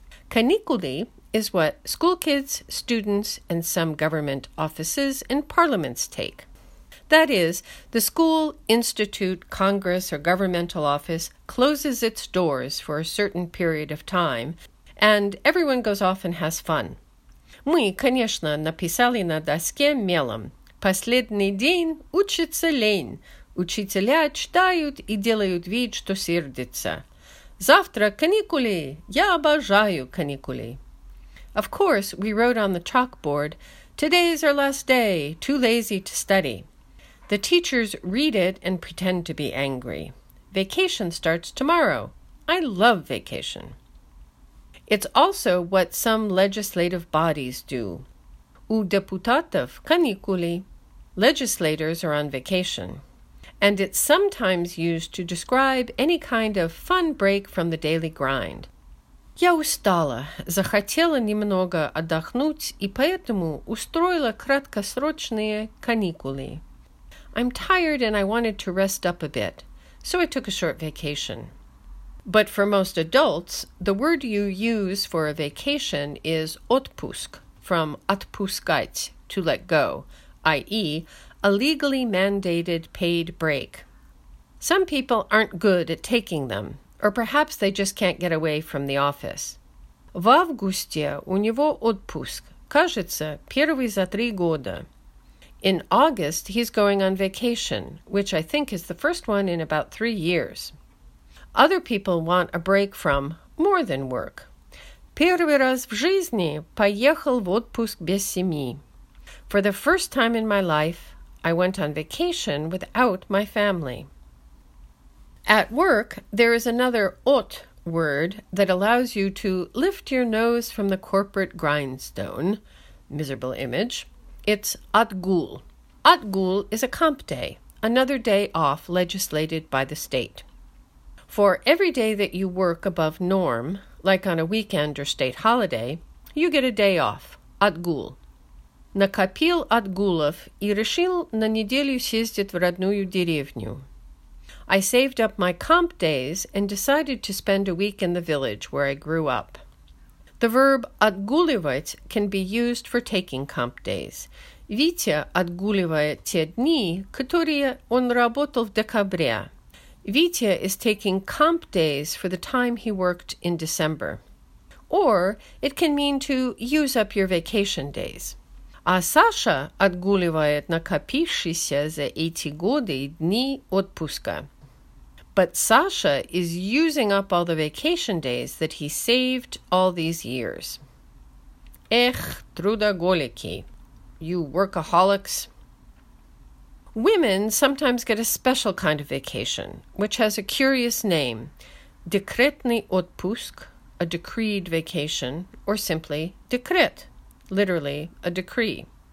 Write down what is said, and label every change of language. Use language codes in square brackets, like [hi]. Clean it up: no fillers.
[en] Caniculi is what school kids, students, and some government offices and parliaments take. That is, the school, institute, congress, or governmental office closes its doors for a certain period of time, and everyone goes off and has fun. [ru] Мы, конечно, написали на доске мелом. Последний день учится лень. Учителя читают и делают вид, что сердится. Завтра каникули. Я обожаю каникули. [en] Of course, we wrote on the chalkboard, today is our last day, too lazy to study. The teachers read it and pretend to be angry. Vacation starts tomorrow. I love vacation. It's also what some legislative bodies do. [ru] У депутатов каникули. [en] Legislators are on vacation. And it's sometimes used to describe any kind of fun break from the daily grind. [ru] Я устала, захотела немного отдохнуть, и поэтому устроила краткосрочные каникули. [en] I'm tired and I wanted to rest up a bit, so I took a short vacation. But for most adults, the word you use for a vacation is отпуск, from отпускать, to let go, i.e., a legally mandated paid break. Some people aren't good at taking them, or perhaps they just can't get away from the office. [ru] В августе у него отпуск, кажется, первый за три года. [en] In August, he's going on vacation, which I think is the first one in about 3 years. Other people want a break from more than work. [ru] Первый раз в жизни поехал в отпуск без семьи. [en] For the first time in my life, I went on vacation without my family. At work, there is another ot word that allows you to lift your nose from the corporate grindstone. Miserable image. It's отгул. Отгул is a comp day, another day off legislated by the state. For every day that you work above norm, like on a weekend or state holiday, you get a day off, отгул. [ru] Накопил отгулов и решил на неделю съездить в родную деревню. [en] I saved up my comp days and decided to spend a week in the village where I grew up. The verb отгуливать can be used for taking comp days. [ru] Витя отгуливает те дни, которые он работал в декабре. [en] Витя is taking comp days for the time he worked in December. Or it can mean to use up your vacation days. [ru] А Саша отгуливает накопившиеся за эти годы дни отпуска. [en] But Sasha is using up all the vacation days that he saved all these years. [ru] Эх, трудоголики, [en] you workaholics. Women sometimes get a special kind of vacation, which has a curious name, декретный отпуск, a decreed vacation, or simply декрет, literally a decree.